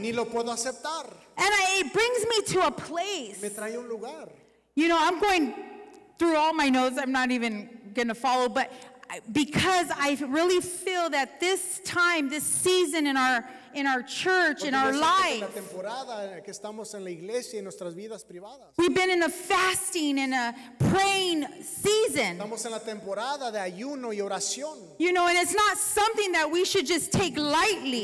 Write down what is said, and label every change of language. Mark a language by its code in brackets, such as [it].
[es] Ni lo puedo aceptar. [en] And it brings me to a place. [es] Me trae un lugar. [en] You know, I'm going through all my notes. I'm not even going to follow, but because I really feel that this time, this season in our church, in our life, [es] la temporada que estamos en la iglesia y nuestras vidas privadas, [en] we've been in a fasting and a praying season. [es] Estamos en la temporada de ayuno y oración. [en] You know, and it's not something that we should just take lightly.